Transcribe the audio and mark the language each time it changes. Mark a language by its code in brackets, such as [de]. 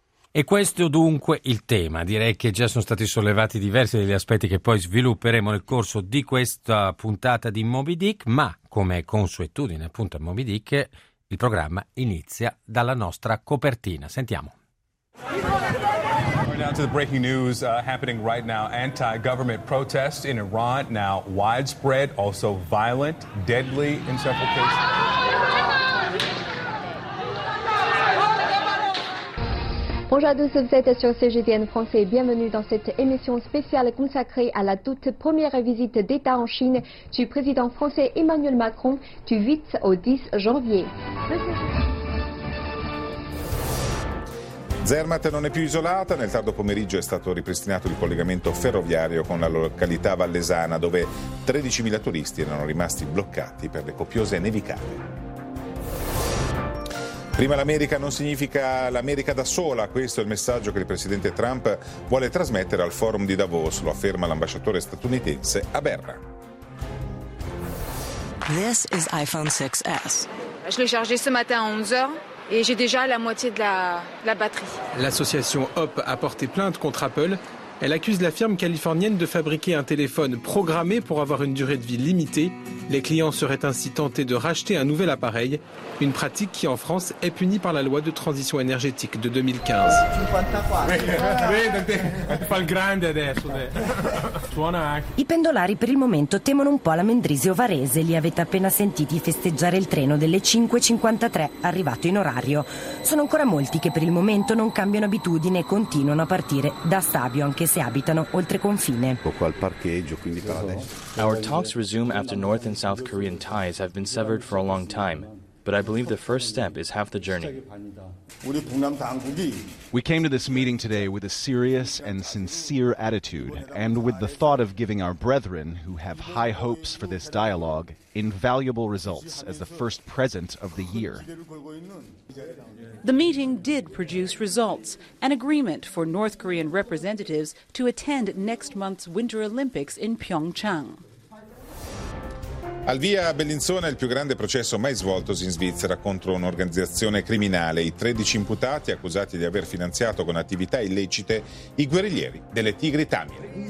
[it] E questo dunque il tema. Direi che già sono stati sollevati diversi degli aspetti che poi svilupperemo nel corso di questa puntata di Moby Dick, ma come consuetudine appunto a Moby Dick, il programma inizia dalla nostra copertina. Sentiamo. [en] Now to the breaking news happening right now. Anti-government protests in Iran now widespread, also violent, deadly in several cases. Ah! [fr] Bonjour à tous, vous êtes sur CGTN France et bienvenue dans cette émission spéciale consacrée à la toute première visite d'État en Chine du président français Emmanuel Macron du 8 au 10 janvier. [it] Zermatt non è più isolata, nel tardo pomeriggio è stato ripristinato il collegamento ferroviario con la località vallesana dove 13.000 turisti erano rimasti bloccati per le copiose nevicate. Prima l'America non significa l'America da sola, questo è il messaggio che il presidente Trump vuole trasmettere al forum di Davos, lo afferma l'ambasciatore statunitense a Berna. [en] This is iPhone 6S. [fr] Je l'ai chargé ce matin à 11h. Et j'ai déjà la moitié de la batterie. L'association Hop a porté plainte contre Apple. Elle accuse la firme californienne de fabriquer un téléphone programmé pour avoir une durée de vie limitée. Les clients seraient ainsi tentés de racheter un nouvel appareil. Une pratique qui, en France, est punie par la loi de transition énergétique de 2015. [it] I pendolari per il momento temono un po' la Mendrisio Varese. Li avete appena sentiti festeggiare il treno delle 5.53, arrivato in orario. Sono ancora molti che per il momento non cambiano abitudine e continuano a partire da Stabio, anche se abitano oltre confine. [en] Our talks resume after North and South Korean ties have been severed for a long time. But I believe the first step is half the journey. We came to this meeting today with a serious and sincere attitude and with the thought of giving our brethren, who have high hopes for this dialogue, invaluable results as the first present of the year. The meeting did produce results, an agreement for North Korean representatives to attend next month's Winter Olympics in Pyeongchang. [it] Al via Bellinzona, il più grande processo mai svoltosi in Svizzera contro un'organizzazione criminale. I 13 imputati accusati di aver finanziato con attività illecite i guerriglieri delle Tigri Tamil.